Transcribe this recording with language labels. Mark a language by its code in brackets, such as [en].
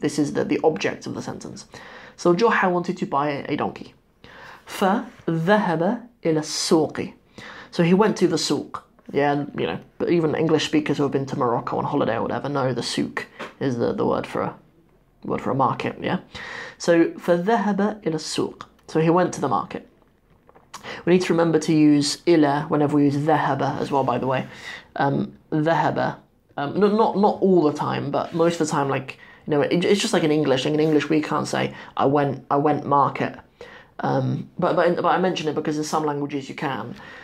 [en] This is the object of the sentence. So Joha wanted to buy a donkey. [ar] فَذَهَبَ إِلَى السُّوقِ. [en] So he went to the souk. But even English speakers who have been to Morocco on holiday or whatever know the souk is the word for a market. Yeah. [ar] So فَذَهَبَ إِلَى السُّوقِ. [en] So he went to the market. We need to remember to use إِلَى whenever we use ذَهَبَ as well, by the way. [ar] ذَهَبَ. [en] Not all the time, but most of the time, like. No, it's just like in English. Like in English, we can't say I went market, but I mention it because in some languages you can.